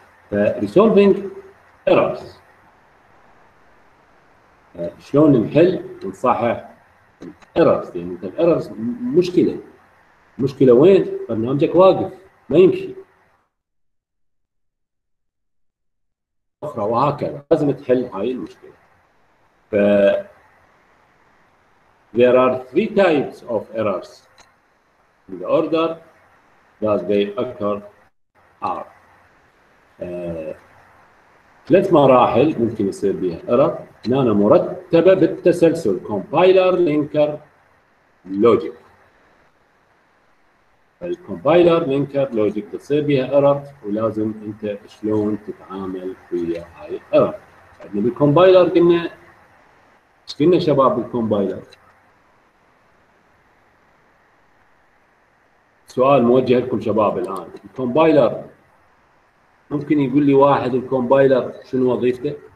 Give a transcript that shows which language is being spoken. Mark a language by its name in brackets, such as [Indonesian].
[Arabic] فريسولفينج إيرورز شلون نحل ونصحح الإيرورز، يعني أنت الإيرورز مشكلة، مشكلة وين؟ برنامجك واقف ما يمشي أخرى وهكذا، لازم تحل هاي المشكلة. [English] ف there are three types of errors in the order that they occur are [Arabic] ثلاث مراحل ممكن يصير بها [English] error، [Arabic] نانا مرتبة بالتسلسل [English] compiler linker logic. [Arabic] الكومبايلر لينكر لوجيك بتصير بها ايرور، ولازم انت شلون تتعامل ويا هاي ايرور. يعني بالكومبايلر قلنا ايش قلنا شباب بالكومبايلر؟ سؤال موجه لكم شباب الان، الكومبايلر ممكن يقول لي واحد الكومبايلر شنو وظيفته؟